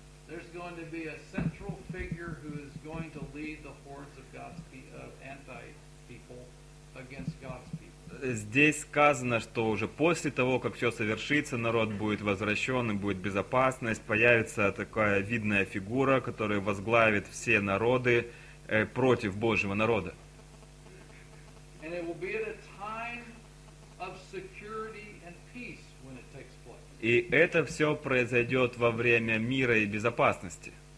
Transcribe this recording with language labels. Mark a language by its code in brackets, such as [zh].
[en] There's going to be a central figure who is going to lead the hordes of God's of anti-people against God's people. [ru] Здесь сказано, что уже после того, как все совершится, народ будет возвращен и будет безопасность, появится такая видная фигура, которая возглавит все народы против Божьего народа. [en] And it will be at a time of security and peace. [ru] И это все произойдет во время мира и безопасности.